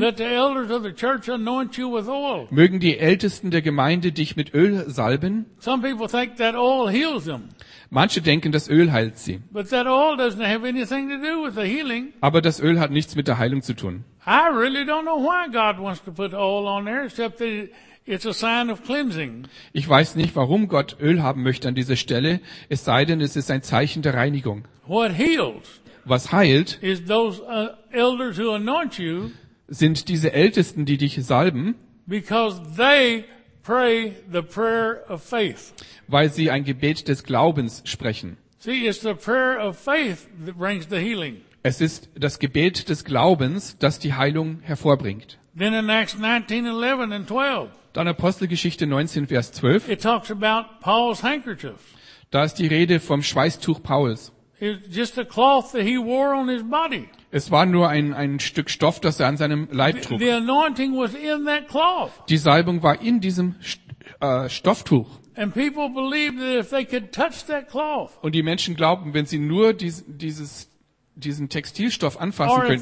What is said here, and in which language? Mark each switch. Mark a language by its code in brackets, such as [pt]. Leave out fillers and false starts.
[en] Let the elders of the church anoint you with oil. [de] Mögen die Ältesten der Gemeinde dich mit Öl salben. [en] Some people think that oil heals them. [de] Manche denken, das Öl heilt sie. [en] But that oil doesn't have anything to do with the healing. [de] Aber das Öl hat nichts mit der Heilung zu tun. [en] I really don't know why God wants to put oil on there, except that it's a sign of cleansing. [de] Ich weiß nicht, warum Gott Öl haben möchte an dieser Stelle, es sei denn, es ist ein Zeichen der Reinigung. [en] What heals? [de] Was heilt? [en] Is those elders who anoint you? [de] Sind diese Ältesten, die dich salben? [en] Because they pray the prayer of faith. [de] Weil sie ein Gebet des Glaubens sprechen. [en] See, it's the prayer of faith that brings the healing. [de] Es ist das Gebet des Glaubens, das die Heilung hervorbringt. [en] Then in Acts 19:11-12. [de] Dann Apostelgeschichte 19, Vers 12. [en] It talks about Paul's handkerchief. [de] Da ist die Rede vom Schweißtuch Pauls. [en] It's just a cloth that he wore on his body. [de] Es war nur ein Stück Stoff, das er an seinem Leib trug. [en] The anointing was in that cloth. [de] Die Salbung war in diesem Stofftuch. [en] And people believed that if they could touch that cloth. [de] Und die Menschen glaubten, wenn sie nur diesen Textilstoff anfassen könnten,